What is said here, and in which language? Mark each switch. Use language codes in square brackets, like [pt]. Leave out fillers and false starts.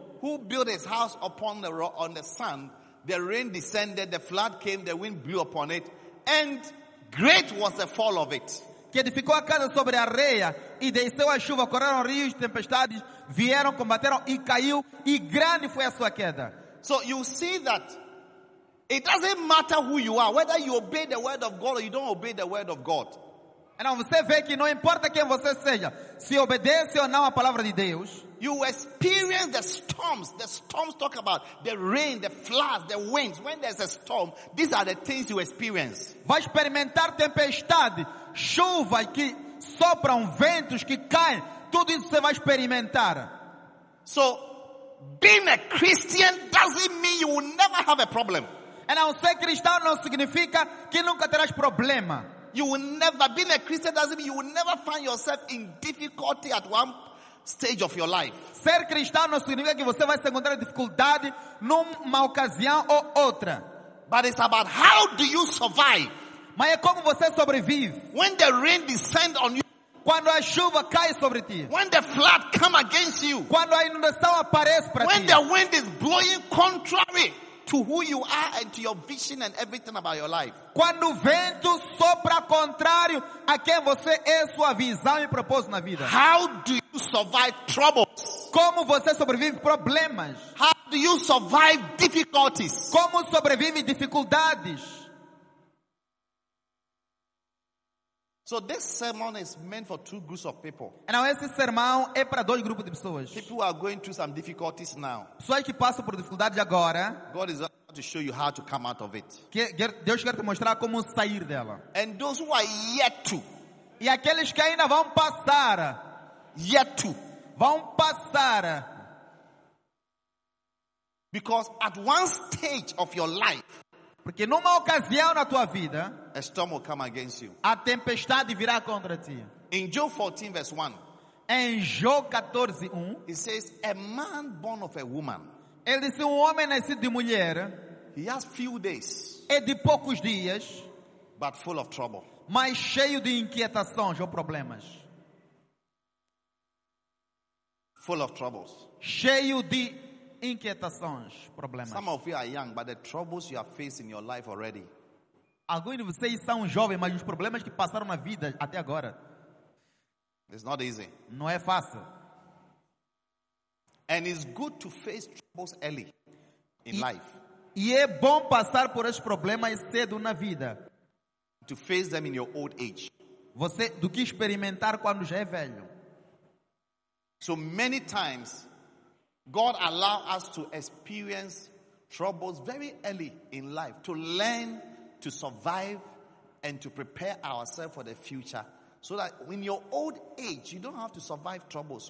[en] Who built his house upon the rock, on the sand? The rain descended, the flood came, the wind blew upon it, and great was the fall of it. [pt] Que edificou a casa sobre a areia e desceu a chuva, correram rios, tempestades vieram, combateram e caiu, e grande foi a sua queda. [en] So you see that it doesn't matter who you are, whether you obey the word of God or you don't obey the word of God. [pt] Então você vê que não importa quem você seja, se obedece ou não a palavra de Deus, [en] you experience the storms talk about the rain, the floods, the winds. When there's a storm, these are the things you experience. [pt] Vai experimentar tempestade, chuva que sopram, ventos que caem, tudo isso você vai experimentar. [en] So, being a Christian doesn't mean you will never have a problem. [pt] Então ser cristão não significa que nunca terás problema. [en] You will never, being a Christian doesn't mean you will never find yourself in difficulty at one stage of your life. [pt] Ser cristão não significa que você vai se encontrar em dificuldade numa ocasião ou outra. [en] But it's about how do you survive. [pt] Mas é como você sobrevive. [en] When the rain descends on you. [pt] Quando a chuva cai sobre ti. [en] When the flood come against you. [pt] Quando a inundação aparece para ti. [en] When the wind is blowing contrary to who you are and to your vision and everything about your life. [pt] Quando o vento sopra contrário a quem você é, sua visão e propósito na vida. [en] How do you survive troubles? [pt] Como você sobrevive problemas? [en] How do you survive difficulties? [pt] Como sobrevive dificuldades? [en] So this sermon is meant for two groups of people. [pt] E não, esse sermão é para dois grupos de pessoas. [en] People who are going through some difficulties now. [pt] Pessoas que passam por dificuldades agora. [en] God is about to show you how to come out of it. [pt] Deus quer te mostrar como sair dela. [en] And those who are yet to. [pt] E aqueles que ainda vão passar. [en] Yet to. [pt] Vão passar. [en] Because at one stage of your life. [pt] Porque numa ocasião na tua vida, [en] a storm will come against you. [pt] A tempestade virá contra ti. [en] In Job 14 verse 1. [pt] Em Jó 14, 1. [en] It says, a man born of a woman. [pt] Ele disse, um homem nascido de mulher. [en] He has few days. [pt] É de poucos dias. [en] But full of trouble. [pt] Mas cheio de inquietações ou problemas. [en] Full of troubles. [pt] Cheio de inquietações, problemas. [en] Some of you are young, but the troubles you have faced in your life already. [pt] Alguns de vocês são jovens, mas os problemas que passaram na vida até agora. [en] It's not easy. [pt] Não é fácil. [en] And it's good to face troubles early in life. [pt] E é bom passar por esses problemas cedo na vida. [en] To face them in your old age. [pt] Você do que experimentar quando já é velho. [en] So many times God allows us to experience troubles very early in life to learn to survive and to prepare ourselves for the future, so that in your old age, you don't have to survive troubles.